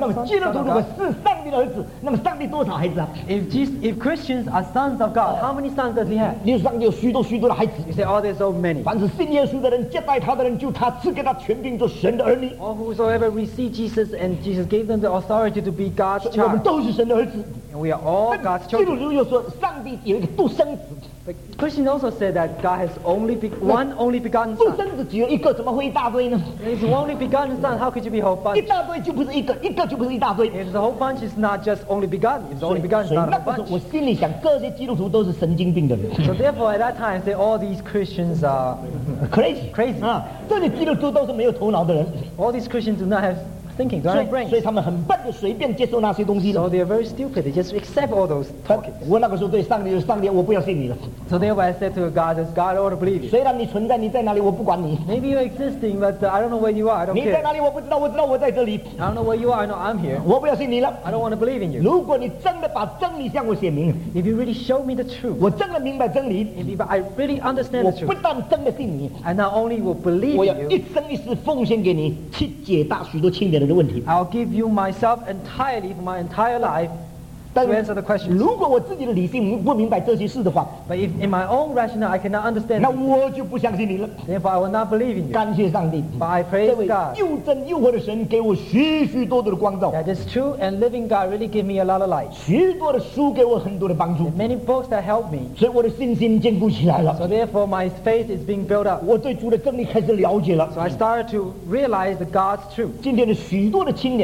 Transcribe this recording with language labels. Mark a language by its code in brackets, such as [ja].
[zh] 那么基督徒如果是上帝的儿子，那么上帝多少孩子啊 [en] ？If Christians are sons of God, how many sons does he have? [zh] 你说上帝有许多许多的孩子。 [en] You say all there's so many. [zh] 凡是信耶稣的人，接待他的人，就他赐给他权柄做神的儿女。 [en] All whosoever received Jesus and Jesus gave them the authority to be God's child. [zh] 我们都是神的儿子。 [en] And we are all God's children. [zh] 基督徒又说，上帝有一个独生子。 [en] But Christians also say that God has only one only begotten Son. [zh] 父生子只有一个, 怎么会一大堆呢? [en] His only begotten Son, how could you be a whole bunch? [zh] 一大堆就不是一个, 一个就不是一大堆. [en] If the whole bunch is not just only begotten, if the only begotten is not a whole bunch. [zh] 我心里想, 各些基督徒都是神经病的人。 [en] So therefore at that time I say all these Christians are crazy. [zh] 这里基督徒都是没有头脑的人。 [en] All these Christians do not have thinking, don't have brains. [zh] 所以他们很笨的随便接受那些东西了。 [en] So they are very stupid, they just accept all those talking. [zh] 我那个时候对上帝就是上帝，我不要信你了。 [en] So therefore I said to God, does God ought to believe you? [zh] 虽然你存在，你在哪里，我不管你。 [en] Maybe you're existing, but I don't know where you are, I don't care. [zh] 你在哪里，我不知道，我知道我在这里。 [en] I don't know where you are, I know I'm here. [zh] 我不要信你了。 [en] I don't want to believe in you. [zh] 如果你真的把真理向我显明, [en] if you really show me the truth, [zh] 我真的明白真理, [en] if I really understand the truth, [zh] 我不但真的信你, [en] I not only will believe in you, [zh] 我要一生一世奉献给你, 去解答许多清点的人。 [en] I'll give you myself entirely for my entire life to answer the question. [zh] 如果我自己的理性不明白这些事的话, [en] but if in my own rationale I cannot understand, [zh] 那我就不相信你了。 [en] Therefore I will not believe in you. [zh] 感谢上帝, [en] but I praise God. [zh] 又真又活的神给我许许多多的光照, [en] that is true and living God really give me a lot of light. [zh] 许多的书给我很多的帮助, [en] many books that help me. [zh] 所以我的信心坚固起来了。 [en] So therefore my faith is being built up. [zh] 我对主的真理开始了解了。 [en] So I started to realize the God's truth.